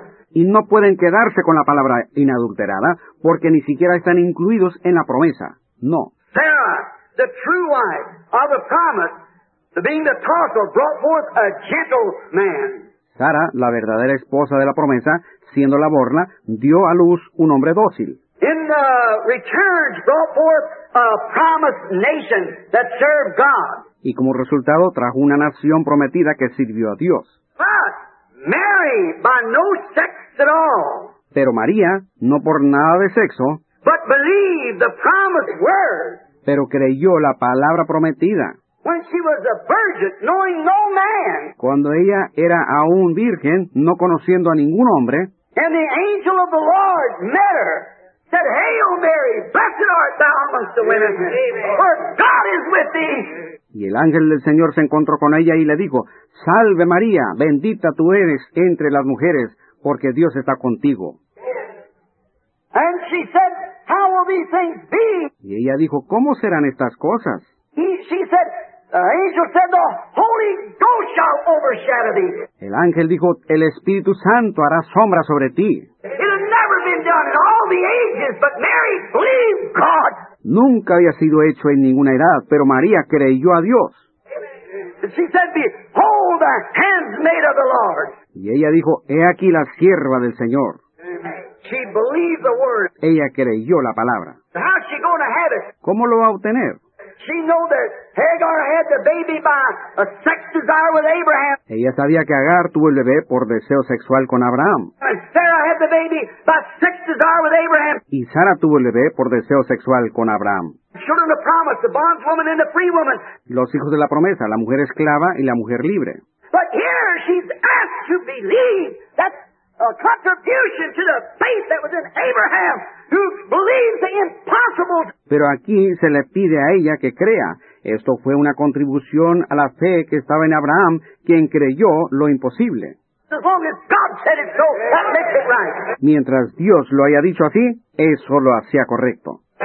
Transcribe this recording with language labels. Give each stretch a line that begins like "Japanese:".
Spanish: Y no pueden quedarse con la palabra inadulterada porque ni siquiera están incluidos en la promesa. No.
English: Sarah, the true wife of the promise, being the tossel, brought forth a gentle man.
Spanish: Sara, la verdadera esposa de la promesa, siendo la borna, dio a luz un hombre dócil.
English: In the return brought forth a promised nation that served God.
Spanish: Y como resultado trajo una nación prometida que sirvió a Dios.
English: But Mary, by no sex at all.
Spanish: Pero María, no por nada de sexo,
English: but believed the promised word.
Spanish: Pero creyó la palabra prometida.
English: When she was a virgin, knowing no man.
Spanish: Cuando ella era aún virgen, no conociendo a ningún hombre.
English: And the angel of the Lord met her, said, "Hail Mary, blessed art thou amongst the women, for God is with thee."
Spanish: Y el ángel del Señor se encontró con ella y le dijo, "Salve María, bendita tú eres entre las mujeres, porque Dios está contigo."
English: And she said, "How will these things be?"
Spanish: Y ella dijo, "¿Cómo serán estas cosas?"
English: The angel said, "The Holy Ghost shall overshadow thee."
Spanish: El ángel dijo, "El Espíritu Santo hará sombra sobre ti."
English: It had never been done in all the ages, but Mary believed God.
Spanish: Nunca había sido hecho en ninguna edad, pero María creyó a Dios.
English: She said, "Behold, the handmaid of the Lord."
Spanish: Y ella dijo, "He aquí la sierva del Señor."
English: She believed the word.
Spanish: Ella creyó la palabra.
English: How's she going to have it?
Spanish: ¿Cómo lo va a obtener?
English: She knew that Hagar had the baby by a sex desire with Abraham.
Spanish: Ella sabía que Agar tuvo el bebé por deseo sexual con Abraham.
English: And Sarah had the baby by sex desire with Abraham.
Spanish: Y Sara tuvo el bebé por deseo sexual con Abraham.
English: Children of the promise, the bondwoman and the free woman.
Spanish: Los hijos de la promesa, la mujer esclava y la mujer libre.
English: But here she's asked to believe that a contribution to the faith that was in Abraham. Who believes the impossible.
Spanish: Pero aquí se le pide a ella que crea. Esto fue una contribución a la fe que estaba en Abraham, quien creyó lo imposible.
English: As long as God said it so, that makes it right.
Spanish: Mientras Dios lo haya dicho así, eso lo hacía correcto.